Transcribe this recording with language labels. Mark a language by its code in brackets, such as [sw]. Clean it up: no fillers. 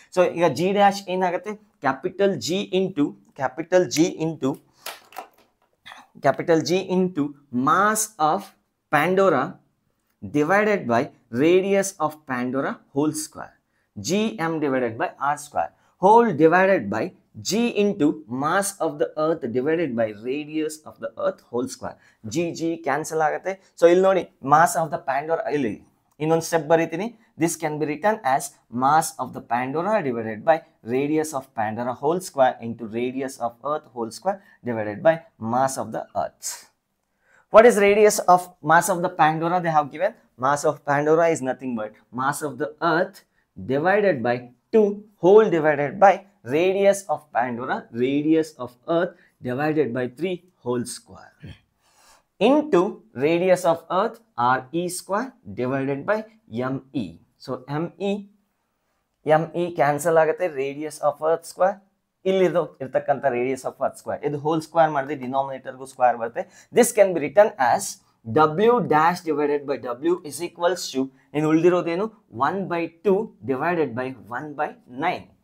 [kn] So ಈಗ G dash ಏನಾಗುತ್ತೆ, [en] Capital G into capital G into capital G into mass of Pandora divided by radius of Pandora whole square, G M divided by R square whole divided by G into mass of the earth divided by radius of the earth whole square. [kn] G, G cancel agate. [en] So, you know, mass of the Pandora, in one step, this can be written as mass of the Pandora divided by radius of Pandora whole square into radius of earth whole square divided by mass of the earth. What is radius of mass of the Pandora they have given? Mass of Pandora is nothing but mass of the earth divided by 2 whole divided by radius of Pandora, radius of Earth divided by 3 whole square into radius of Earth R E square divided by M E. So M E, M E [kn] cancel agate, [en] radius of Earth square. [kn] ಇಲ್ಲಿ ಇದು ಇರ್ತಕ್ಕಂಥ radius of earth square, ಇದು whole square ಮಾಡಿದ್ರೆ ಡಿನಾಮಿನೇಟರ್ಗೂ square ಬರುತ್ತೆ. [en] this can be written as W dash divided by W is equals to, [kn] ಇನ್ನು ಉಳಿದಿರೋದೇನು, [en] 1/2 divided by 1/9.